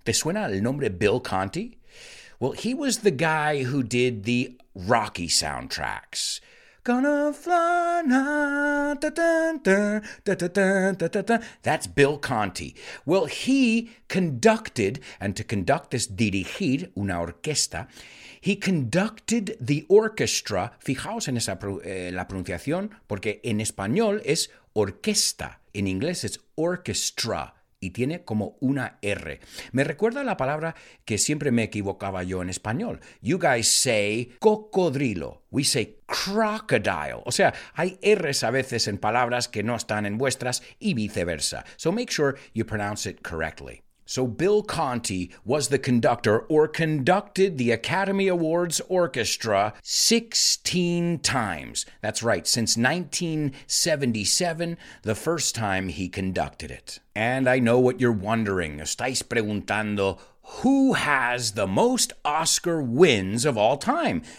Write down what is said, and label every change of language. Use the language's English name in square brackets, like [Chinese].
[Spanish] ¿Te suena el nombre Bill Conti? [English] Well, he was the guy who did the Rocky soundtracks. Gonna fly now. That's Bill Conti. Well, he conducted, and to conduct this, [Spanish] dirigir una orquesta, [English] he conducted the orchestra. [Spanish] Fijaos en esa la pronunciación, porque en español es orquesta. En inglés es orchestra. Y tiene como una R. Me recuerda la palabra que siempre me equivocaba yo en español. [English] You guys say cocodrilo. We say crocodile. [Spanish] O sea, hay R's a veces en palabras que no están en vuestras y viceversa. [English] So make sure you pronounce it correctly. So Bill Conti was the conductor or conducted the Academy Awards Orchestra 16 times. That's right, since 1977, the first time he conducted it. And I know what you're wondering. [Spanish] Estáis preguntando, [English] who has the most Oscar wins of all time?